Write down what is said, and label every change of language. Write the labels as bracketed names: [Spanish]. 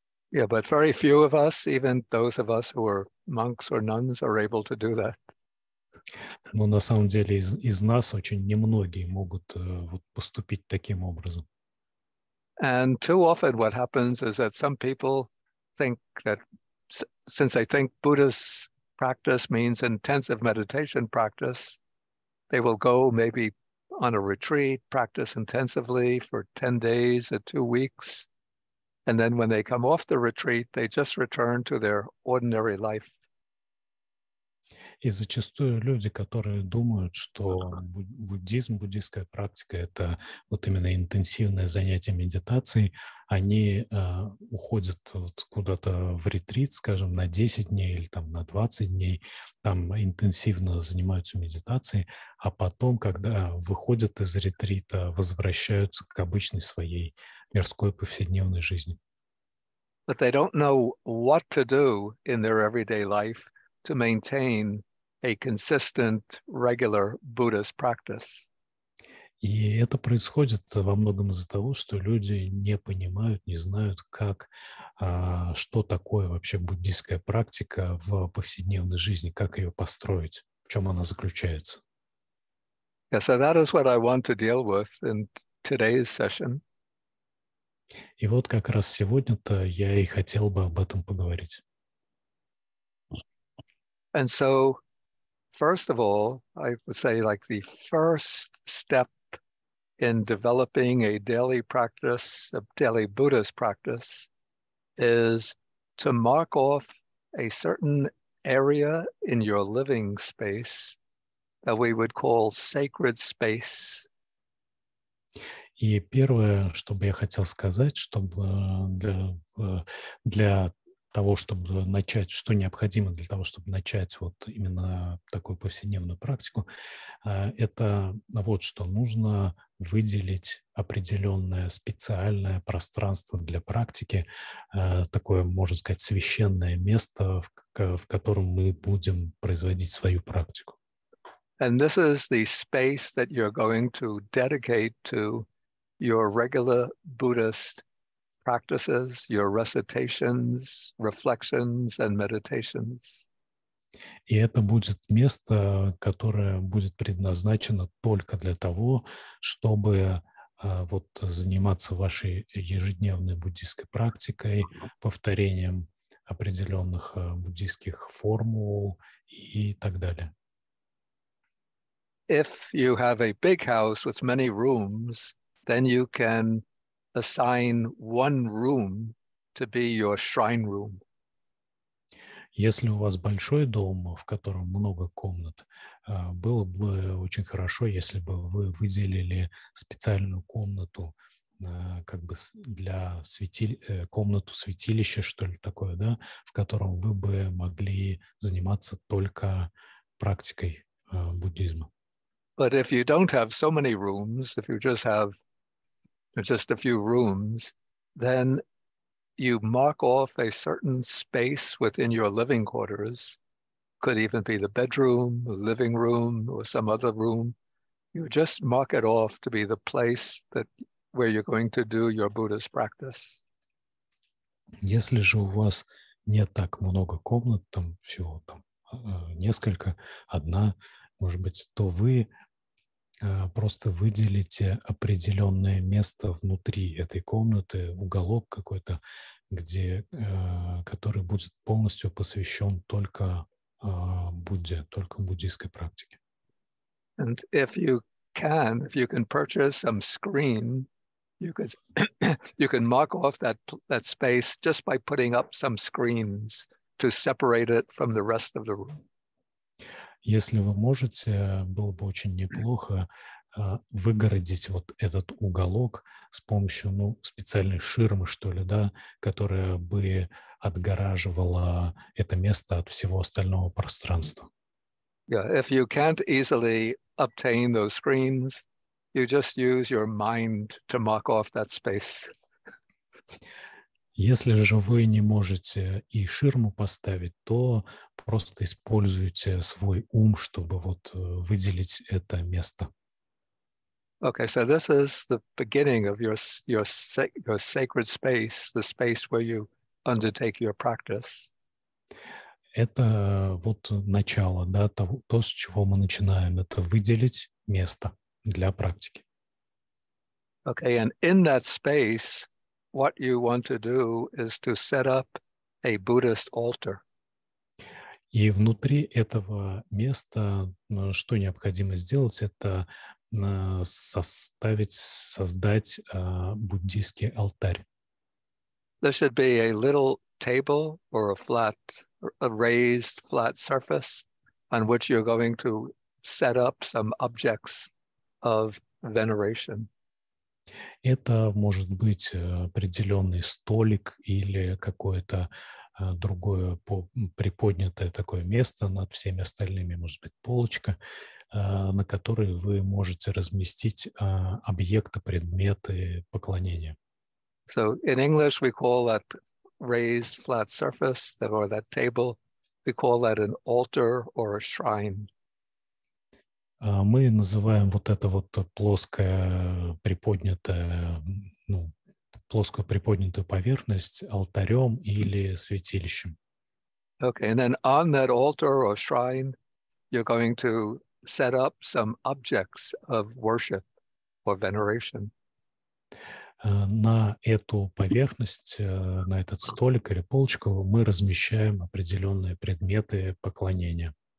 [English] Yeah, but very few of us, even those of us who are monks or nuns, are able to do that. [Russian] Но на самом деле из нас очень немногие могут вот поступить таким образом. [English] And too often what happens is that some people think that since they think Buddhist practice means intensive meditation practice, they will go maybe on a retreat, practice intensively for 10 days or 2 weeks, and then when they come off the retreat, they just return to their ordinary life. [Russian] И зачастую люди, которые думают, что буддизм, буддийская практика — это вот именно интенсивное занятие медитацией, они уходят вот куда-то в ретрит, скажем, на 10 дней или там, на 20 дней, там интенсивно занимаются медитацией, а потом, когда выходят из ретрита, возвращаются к обычной своей мирской повседневной жизни. [English] But they don't know what to do in their everyday life to maintain a consistent, regular Buddhist practice. [Russian] И это происходит во многом из-за того, что люди не понимают, не знают, как, что такое вообще буддийская практика в повседневной жизни, как ее построить, в чем она заключается. [English] Yeah, so that is what I want to deal with in today's session. [Russian] И вот как раз сегодня-то я и хотел бы об этом поговорить. [English] And so, first of all, I would say like the first step in developing a daily practice, a daily Buddhist practice, is to mark off a certain area in your living space that we would call sacred space. [Russian] И первое, что бы я хотел сказать, чтобы для того, чтобы начать, что необходимо для того, чтобы начать вот именно такую повседневную практику, это вот что нужно выделить определенное специальное пространство для практики, такое, можно сказать, священное место, в котором мы будем производить свою практику. [English] And this is the space that you're going to dedicate to your regular Buddhist practices, your recitations, reflections, and meditations. [Russian] И это будет место, которое будет предназначено только для того, чтобы вот заниматься вашей ежедневной буддийской практикой, повторением определенных буддийских формул и так далее. [English] If you have a big house with many rooms, then you can assign one room to be your shrine room. [Russian] Если у вас большой дом, в котором много комнат, было бы очень хорошо, если бы вы выделили специальную комнату, как бы для комнату святилища, что ли, такое, да, в котором вы бы могли заниматься только практикой буддизма. [English] But if you don't have so many rooms, if you just have just a few rooms, then you mark off a certain space within your living quarters, could even be the bedroom, living room, or some other room. You just mark it off to be the place that where you're going to do your Buddhist practice. [Russian] Если же у вас нет так много комнат, там всего там несколько, одна, может быть, то вы просто выделите определенное место внутри этой комнаты, уголок какой-то, где, который будет полностью посвящен только Будде, только буддийской практике. [English] And if you can purchase some screen, you can mark off that space just by putting up some screens to separate it from the rest of the room. [Russian] Если вы можете, было бы очень неплохо выгородить вот этот уголок с помощью, ну, специальной ширмы, что ли, да, которая бы отгораживала это место от всего остального пространства. [English] Yeah, if you can't easily obtain those screens, you just use your mind to mark off that space. [Russian] Если же вы не можете и ширму поставить, то просто используйте свой ум, чтобы вот выделить это место. [English] Okay, so this is the beginning of your sacred space, the space where you undertake your practice. [Russian] Это вот начало, да, то, с чего мы начинаем, это выделить место для практики. [English] Okay, and in that space, what you want to do is to set up a Buddhist altar. [Russian] И внутри этого места, что необходимо сделать, это создать буддийский алтарь. [English] There should be a little table or a raised flat surface on which you're going to set up some objects of veneration. [Russian] Это может быть определенный столик или какое-то другое приподнятое такое место над всеми остальными, может быть, полочка, на которой вы можете разместить объекты, предметы поклонения. [English] So in English we call that raised flat surface or that table, we call that an altar or a shrine. [Russian] Мы называем вот это вот плоскую приподнятую поверхность алтарем или святилищем. [English] Okay, and then on that altar or shrine, you're going to set up some objects of worship or veneration. [Russian] На эту поверхность, на этот столик или полочку, мы размещаем определенные предметы поклонения.